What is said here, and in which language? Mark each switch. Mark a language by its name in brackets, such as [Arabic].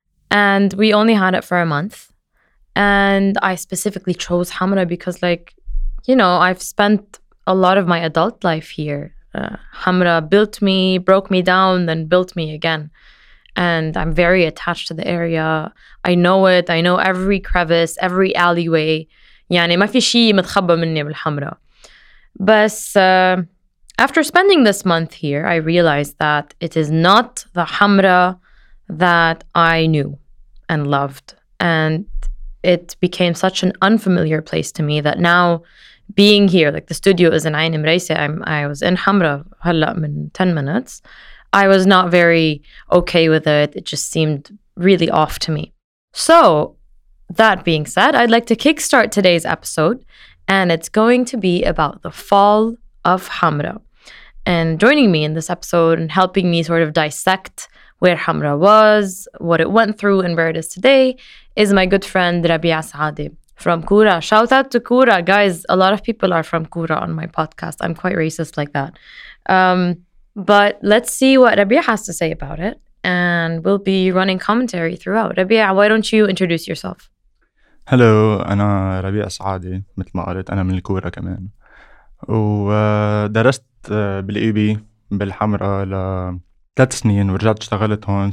[English] And we only had it for a month. And I specifically chose Hamra because, like, you know, I've spent a lot of my adult life here. Hamra built me, broke me down, then built me again. And I'm very attached to the area. I know it. I know every crevice, every alleyway. [Arabic] يعني ما في شيء متخبى مني بالحمرا. بس [English] after spending this month here, I realized that it is not the Hamra that I knew and loved. And it became such an unfamiliar place to me that now being here, like the studio is in عين مريسة, I was in Hamra [Arabic] هلا من [English] 10 minutes. I was not very okay with it. It just seemed really off to me. So, that being said, I'd like to kickstart today's episode, and it's going to be about the fall of Hamra. And joining me in this episode and helping me sort of dissect where Hamra was, what it went through, and where it is today is my good friend Rabih Saadeh from Kura. Shout out to Kura. Guys, a lot of people are from Kura on my podcast. I'm quite racist like that. But let's see what Rabih has to say about it. And we'll be running commentary throughout. Rabih, why don't you introduce yourself? Hello, [Arabic] أنا ربيع سعادة. مثل ما قلت أنا من الكورة كمان. ودرست بالإي بي بالحمرة لثلاث سنين ورجعت اشتغلت هون.